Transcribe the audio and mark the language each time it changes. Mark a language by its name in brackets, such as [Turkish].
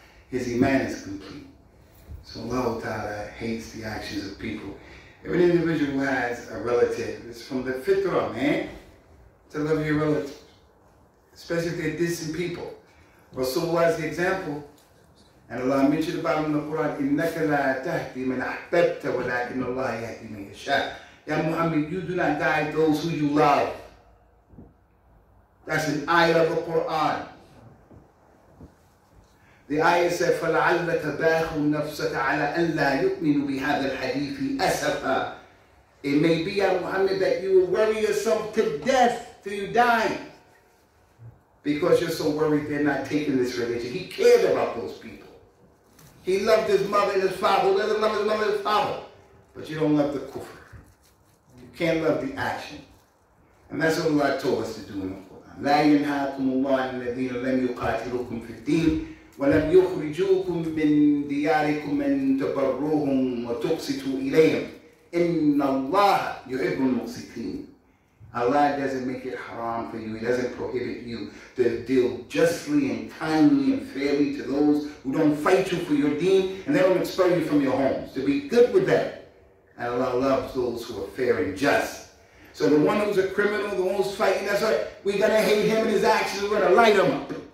[English] His iman is complete. So Allah Ta'ala hates the actions of people. If an individual has a relative, it's from the fitrah, man, to love your relatives. Especially if they're decent people. Rasulullah is the example. And Allah mentioned about him in the Quran, [Arabic] إِنَّكَ لَا تَهْدِي مَنْ أَحْبَبْتَ وَلَكِنَّ اللَّهَ يَهْدِي مَنْ يَشَاءُ. [English] Ya Muhammad, you do not guide those who you love. That's an ayah of the Quran. The ayah said, [Arabic] فَلَعَلَّكَ بَاخُ نَفْسَكَ عَلَىٰ أَنْ لَا يُؤْمِنُ بِهَذَا الْحَدِيثِ أَسَفَىٰ. [English] It may be, Ya Muhammad, that you will worry yourself to death till you die. Because you're so worried they're not taking this religion. He cared about those people. He loved his mother and his father. He doesn't love his mother and his father. But you don't love the kufr. You can't love the action. And that's what Allah told us to do in the [Arabic] لا ينهاكم الله عن الذين لم يقاتلوكم في الدين ولم يخرجوكم من دياركم أن تبروهم وتقسطوا إليهم إن الله يحب المقسطين. [English] Allah doesn't make it haram for you. He doesn't prohibit you to deal justly and kindly and fairly to those who don't fight you for your deen and they don't expel you from your homes. To be good with them. And Allah loves those who are fair and just. So the one who's a criminal, the one who's fighting, that's right, we're going to hate him and his actions. We're going to light him up.